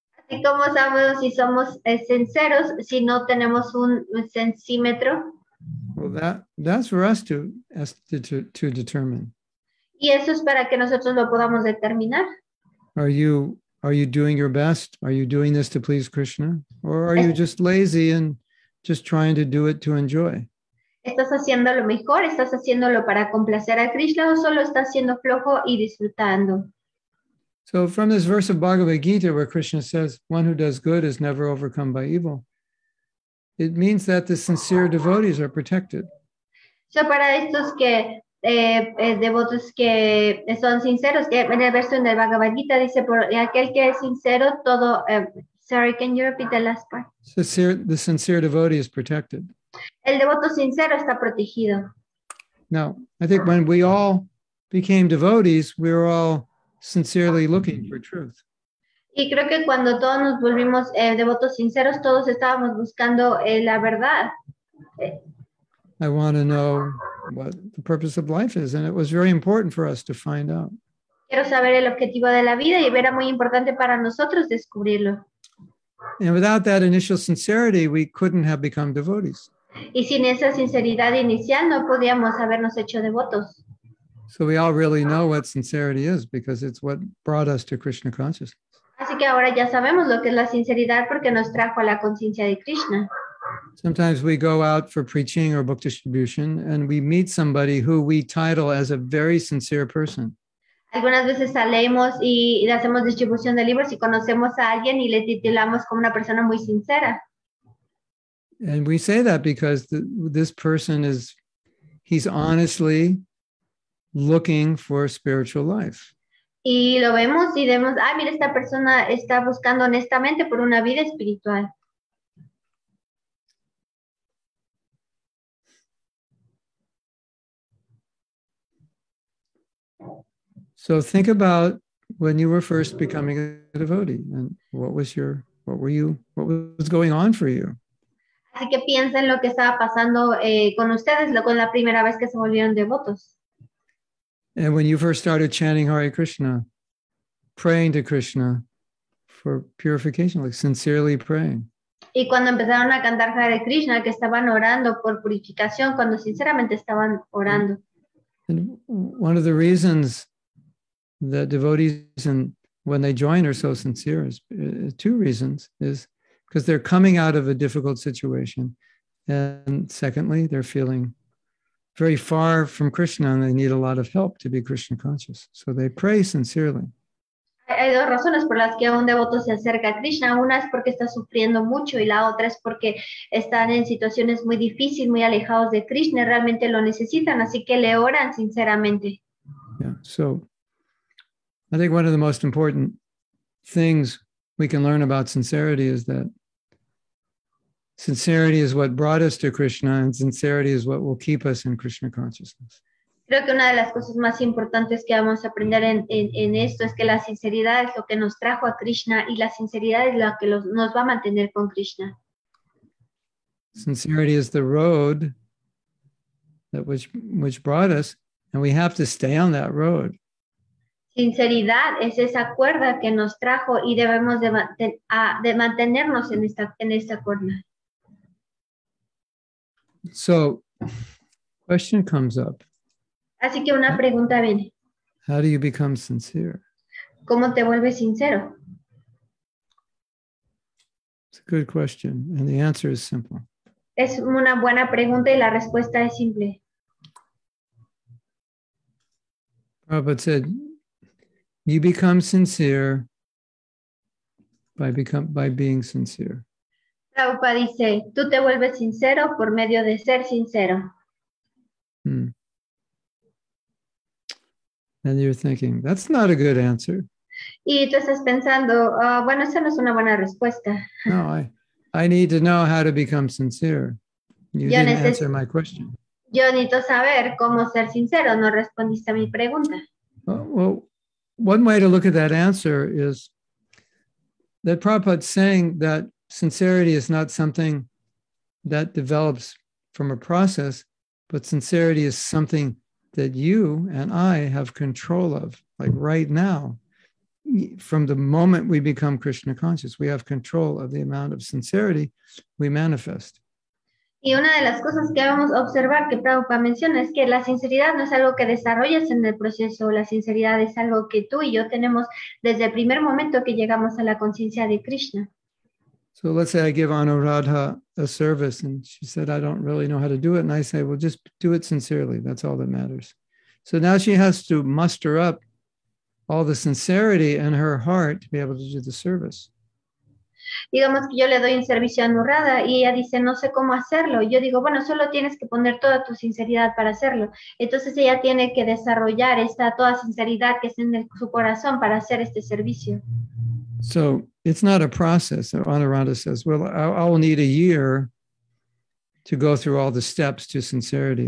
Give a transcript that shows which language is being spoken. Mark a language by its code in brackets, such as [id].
[es] ¿Y cómo sabemos si somos sinceros si no tenemos un sensímetro? [en] Well, that's for us to determine. [es] Y eso es para que nosotros lo podamos determinar. [en] Are you doing your best? Are you doing this to please Krishna? Or are you just lazy and just trying to do it to enjoy? [es] ¿Estás haciendo lo mejor? ¿Estás haciéndolo para complacer a Krishna o solo estás siendo flojo y disfrutando? [en] So from this verse of Bhagavad Gita where Krishna says, one who does good is never overcome by evil, it means that the sincere devotees are protected. [es] So para estos que... devotos que son sinceros, en el verso de Bhagavad Gita dice, por aquel que es sincero, todo, [en] sorry, can you repeat the last part? The sincere devotee is protected. [es] El devoto sincero está protegido. [en] Now, I think when we all became devotees, we were all sincerely looking for truth. [es] Y creo que cuando todos nos volvimos devotos sinceros, todos estábamos buscando la verdad. [en] I want to know what the purpose of life is, and it was very important for us to find out. [es] Quiero saber el objetivo de la vida y era muy importante para nosotros descubrirlo. [en] And without that initial sincerity, we couldn't have become devotees. [es] Y sin esa sinceridad inicial, no podíamos habernos hecho devotos. [en] So we all really know what sincerity is because it's what brought us to Krishna consciousness. [es] Así que ahora ya sabemos lo que es la sinceridad porque nos trajo a la conciencia de Krishna. [en] Sometimes we go out for preaching or book distribution and we meet somebody who we title as a very sincere person. [es] Algunas veces salimos y hacemos distribución de libros y conocemos a alguien y le titulamos como una persona muy sincera. [en] And we say that because this person is, he's honestly looking for spiritual life. [es] Y lo vemos y vemos, ah, mira, esta persona está buscando honestamente por una vida espiritual. [en] So think about when you were first becoming a devotee and what was going on for you? [es] Así que piensen lo que estaba pasando con ustedes con la primera vez que se volvieron devotos. [en] And when you first started chanting Hare Krishna, praying to Krishna for purification, like sincerely praying. [es] Y cuando empezaron a cantar Hare Krishna, que estaban orando por purificación, cuando sinceramente estaban orando. [en] And one of the reasons that devotees and when they join are so sincere is two reasons is because they're coming out of a difficult situation, and secondly, they're feeling very far from Krishna and they need a lot of help to be Krishna conscious. So they pray sincerely. [es] Hay dos razones por las que un devoto se acerca a Krishna. Una es porque está sufriendo mucho y la otra es porque están en situaciones muy difíciles, muy alejados de Krishna. Realmente lo necesitan, así que le oran sinceramente. [en] Yeah, so I think one of the most important things we can learn about sincerity is that sincerity is what brought us to Krishna and sincerity is what will keep us in Krishna consciousness. [es] Creo que una de las cosas más importantes que vamos a aprender en esto es que la sinceridad es lo que nos trajo a Krishna y la sinceridad es lo que nos va a mantener con Krishna. [en] Sincerity is the road that which brought us and we have to stay on that road. [es] Sinceridad es esa cuerda que nos trajo y debemos de mantenernos en esta cuerda. [en] So, question comes up. [es] Así que una pregunta viene. [en] How do you become sincere? [es] ¿Cómo te vuelves sincero? [en] It's a good question, and the answer is simple. [es] Es una buena pregunta y la respuesta es simple. [en] Prabhupada said, "You become sincere by being sincere." [es] Prabhupada dice, "Tú te vuelves sincero por medio de ser sincero." [en] And you're thinking, that's not a good answer. [es] Y tú estás pensando, bueno, esa no es una buena respuesta. [en] No, I need to know how to become sincere. You didn't answer my question. [es] Yo necesito saber cómo ser sincero. No respondiste a mi pregunta. [en] Well, one way to look at that answer is that Prabhupada's saying that sincerity is not something that develops from a process, but sincerity is something that you and I have control of, like right now, from the moment we become Krishna conscious, we have control of the amount of sincerity we manifest. [es] Y una de las cosas que vamos a observar que Prabhupada menciona es que la sinceridad no es algo que desarrollas en el proceso, la sinceridad es algo que tú y yo tenemos desde el primer momento que llegamos a la conciencia de Krishna. [en] So let's say I give Anuradha a service and she said, I don't really know how to do it. And I say, well, just do it sincerely. That's all that matters. So now she has to muster up all the sincerity in her heart to be able to do the service. [es] Digamos que yo le doy un servicio a Anuradha y ella dice, no sé cómo hacerlo. Yo digo, bueno, solo tienes que poner toda tu sinceridad para hacerlo. Entonces ella tiene que desarrollar esta toda sinceridad que está en su corazón para hacer este servicio. [en] So it's not a process. Anuradha says, well, I'll need a year to go through all the steps to sincerity.